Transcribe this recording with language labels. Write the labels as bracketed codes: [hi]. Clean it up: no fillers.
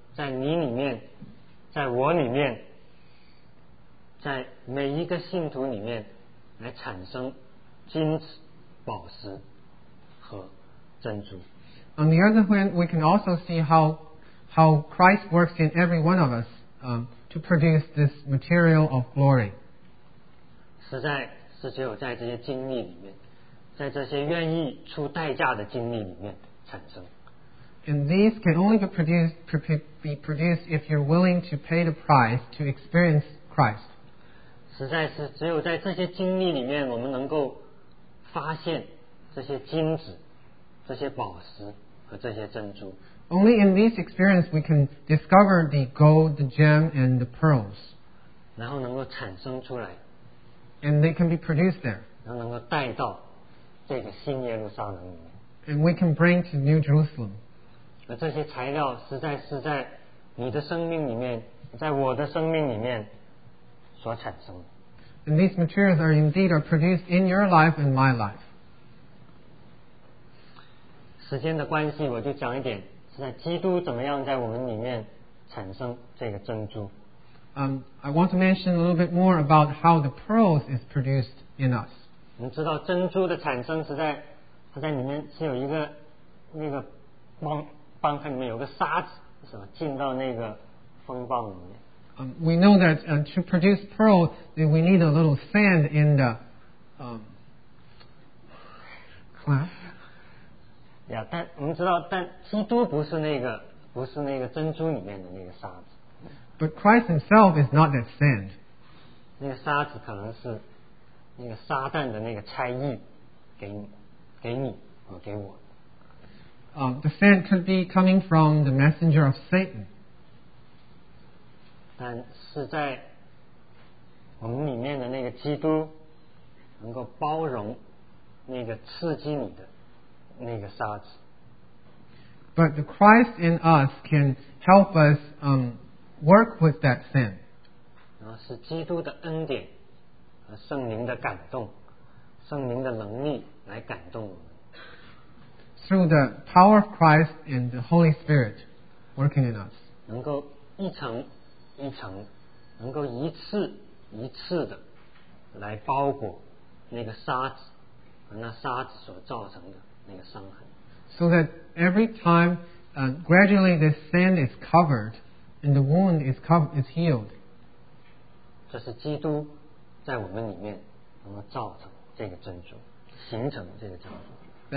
[zh] 另一方面，我们看到基督是怎样的在你里面，在我里面。在每一个信徒里面来产生金子宝石和珍珠。 [en] On the other hand, we can also see how Christ works in every one of us, to produce this material of glory. [zh] 实在是只有在这些经历里面，在这些愿意出代价的经历里面产生。 [en] And these can only be produced if you're willing to pay the price to experience Christ. [zh] 实在是只有在这些经历里面，我们能够发现这些金子、这些宝石和这些珍珠。 [en] Only in these experiences we can discover the gold, the gem, and the pearls. [zh] 然后能够产生出来。 [en] And they can be produced there. [zh] 然后能够带到这个新耶路撒冷里面。 [en] And we can bring to New Jerusalem. [zh] 而这些材料实在是在你的生命里面，在我的生命里面所产生的。 [en] And these materials are indeed are produced in your life and my life. [zh] 时间的关系，我就讲一点，是在基督怎么样在我们里面产生这个珍珠。 [en] I want to mention a little bit more about how the pearls is produced in us. [zh] 你知道珍珠的产生是在它在里面是有一个那个光。蚌壳里面有个沙子，是吧？进到那个风蚌里面。 [en] We know that to produce pearl, we need a little sand in the cleft. [zh] Yeah, 但我们知道，但基督不是那个，不是那个珍珠里面的那个沙子。 [en] But Christ Himself is not that sand. [zh] 那个沙子可能是那个撒旦的那个差役给你和给我。 [en] The sand could be coming from the messenger of Satan. [zh] 但是在我们里面的那个基督能够包容那个刺激你的那个沙子。 [en] But the Christ in us can help us work with that sand. [zh] 然后是基督的恩典和圣灵的感动，圣灵的能力来感动我们。 [en] Through the power of Christ and the Holy Spirit working in us. [zh] 能够一层一层，能够一次一次的来包裹那个沙子和那沙子所造成的那个伤痕。 [en] So that every time, gradually the sand is covered and the wound is healed. [zh] 这是基督在我们里面能够造成这个珍珠，形成这个珍珠。